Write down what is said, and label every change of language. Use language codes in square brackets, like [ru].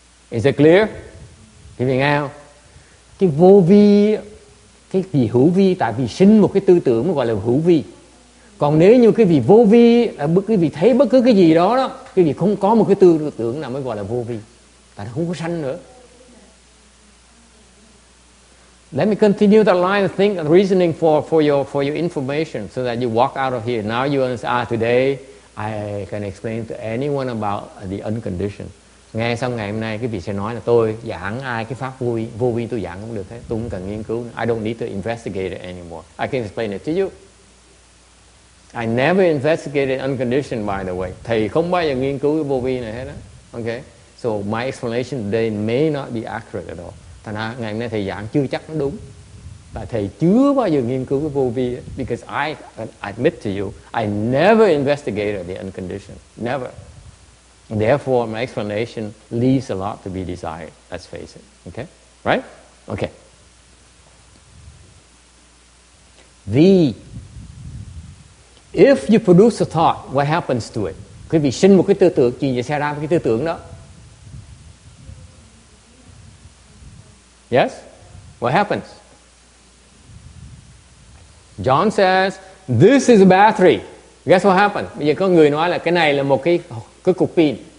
[en] Is it clear? Give me out. [vi] Cái vô vi, cái vì hữu vi, tại vì sinh một cái tư tưởng gọi là hữu vi. Còn nếu như cái vì vô vi, cái vì thấy bất cứ cái gì đó, cái vì không có một cái tư tưởng nào mới gọi là vô vi. Tại nó không có sanh nữa. [en] Let me continue the line of thinking and reasoning for your information so that you walk out of here. Now you understand today. I can explain to anyone about the unconditioned. [vi] Ngay sau ngày hôm nay quý vị sẽ nói là tôi giảng ai cái pháp vui, vô vi tôi giảng cũng được hết, tôi không cần nghiên cứu nữa. [en] I don't need to investigate it anymore. I can explain it to you. I never investigated unconditioned, by the way. [vi] Thầy không bao giờ nghiên cứu cái vô vi này hết á. [en] Okay? So my explanation today may not be accurate at all. [vi] Thành ra ngày hôm nay thầy giảng chưa chắc nó đúng. Tại thầy chưa bao giờ nghiên cứu cái vô vi ấy. [en] Because I admit to you, I never investigated the unconditioned. Never. Therefore, my explanation leaves a lot to be desired, let's face it, okay? Right? Okay. The, if you produce a thought, what happens to it? [vi] Quý vị sinh một cái tư tưởng, chuyện gì xảy ra với cái tư tưởng đó? [en] Yes? What happens? John says, this is a battery. Guess what happened? [vi] Bây giờ có người nói là cái này là một cái cục pin.